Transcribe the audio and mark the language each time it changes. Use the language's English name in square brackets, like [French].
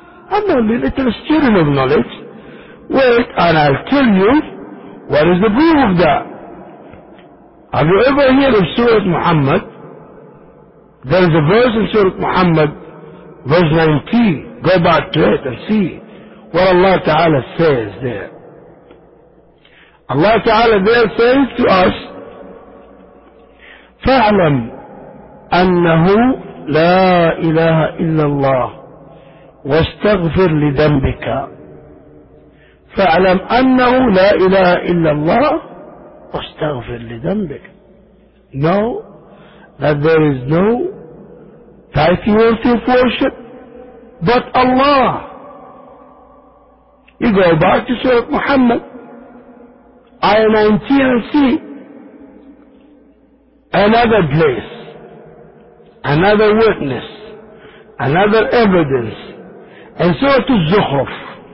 [English] I'm only a little student of knowledge. Wait, and I'll tell you, what is the proof of that? Have you ever heard of Surah Muhammad? There is a verse in Surah Muhammad, verse 19. Go back to it and see what Allah Ta'ala says there. Allah Ta'ala there says to us, [Arabic] فَعْلَمْ أَنَّهُ لَا إِلَهَ إِلَّا اللَّهِ وَاسْتَغْفِرْ لِذَنْبِكَ فَعْلَمْ أَنَّهُ لَا إِلَهَ إِلَّا اللَّهِ وَاسْتَغْفِرْ لِذَنْبِكَ. [English] Know that there is no deity worthy of worship but Allah. You go back to Surah Muhammad, ayah 19 and see another place, another witness, another evidence, and Surah Az-Zukhruf.